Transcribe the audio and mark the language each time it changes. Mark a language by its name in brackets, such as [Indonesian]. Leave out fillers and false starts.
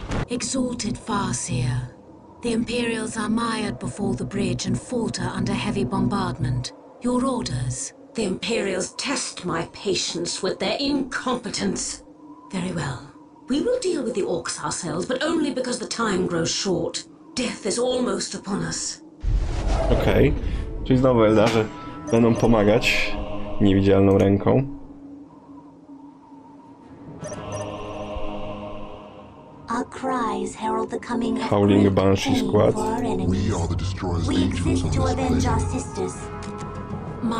[English] Exalted Farseer, the Imperials are mired before the bridge and falter under heavy bombardment. Your orders? The Imperials test my patience with their incompetence. Very well. We will deal with the orcs ourselves, but only because the time grows short. Death is almost upon us. Okej. Okay. [Polish] Czyli znowu Eldarze będą pomagać niewidzialną ręką. [English] Our cries herald the coming of Howling Banshee squad. We are the destroyers of angels on this plane.